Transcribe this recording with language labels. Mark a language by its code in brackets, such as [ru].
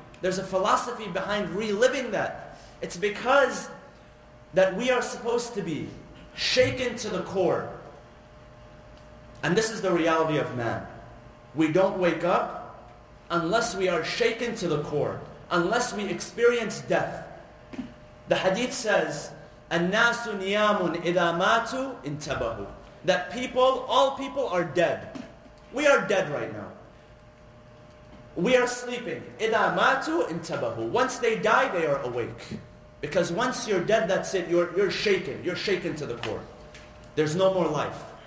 [en] There's a philosophy behind reliving that. It's because that we are supposed to be shaken to the core. And this is the reality of man. We don't wake up unless we are shaken to the core. Unless we experience death. The hadith says, [ar] "النَّاسُ نِيَامٌ إِذَا مَاتُوا انْتَبَهُوا." [en] That people, all people are dead. We are dead right now. We are sleeping. [ar] إِذَا مَاتُوا انْتَبَهُوا. [en] Once they die, they are awake. Because once you're dead, that's it. You're shaken. You're shaken to the core. There's no more life.